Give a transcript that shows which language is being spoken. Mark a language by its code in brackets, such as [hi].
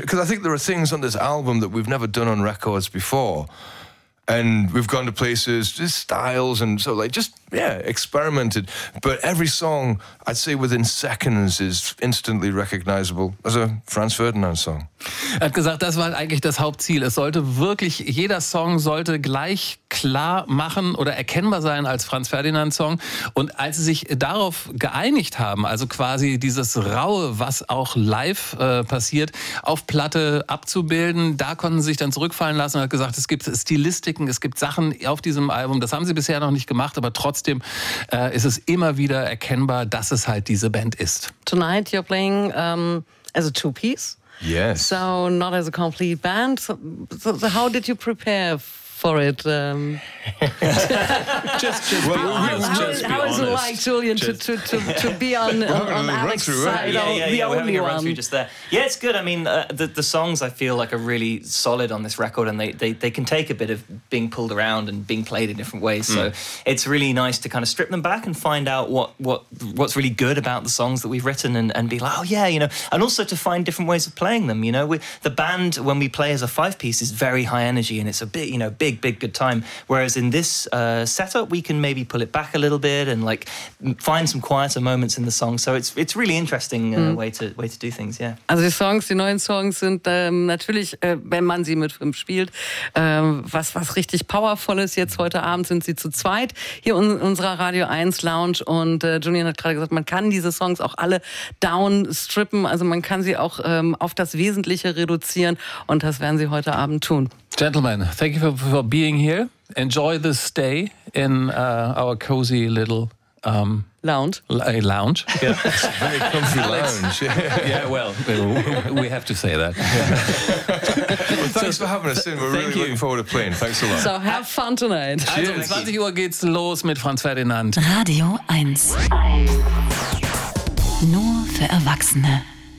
[en] Because I think there are things on this album that we've never done on records before. And we've gone to places, just styles, and so like just, experimented. But every song, I'd say within seconds, is instantly recognizable as a Franz Ferdinand song. [de] Er hat gesagt, das war eigentlich das Hauptziel. Es sollte wirklich, jeder Song sollte gleich klar machen oder erkennbar sein als Franz Ferdinand Song. Und als sie sich darauf geeinigt haben, also quasi dieses Raue, was auch live passiert, auf Platte abzubilden, da konnten sie sich dann zurückfallen lassen und hat gesagt, es gibt Stilistiken, es gibt Sachen auf diesem Album, das haben sie bisher noch nicht gemacht, aber trotzdem ist es immer wieder erkennbar, dass es halt diese Band ist. [en] Tonight you're playing as a two-piece. Yes. So not as a complete band. So how did you prepare for it. How is it like, Julian, to be on Alex's side, the only one? Yeah, it's good. I mean, the songs I feel like are really solid on this record, and they can take a bit of being pulled around and being played in different ways. So it's really nice to kind of strip them back and find out what's really good about the songs that we've written, and be like, oh yeah, you know, and also to find different ways of playing them. You know, the band, when we play as a five piece, is very high energy, and it's a bit, you know, big good time, whereas in this setup we can maybe pull it back a little bit and like find some quieter moments in the song. So it's really interesting way to do things. Yeah, [de] also die neuen Songs sind natürlich, wenn man sie mit fünf spielt, was richtig powervolles. Jetzt heute Abend sind sie zu zweit hier in unserer Radio 1 Lounge, und Julian hat gerade gesagt, man kann diese Songs auch alle downstrippen, also man kann sie auch auf das Wesentliche reduzieren, und das werden sie heute Abend tun. [en] Gentlemen, thank you for being here. Enjoy the stay in our cozy little lounge. Yeah. It's a very comfy lounge. Yeah, well, we have to say that. Well, thanks for having us in. We're really looking forward to playing. Thanks a lot. So have fun tonight. Cheers. [de] Also, 20 Uhr geht's los mit Franz Ferdinand. Radio 1. Nur für Erwachsene.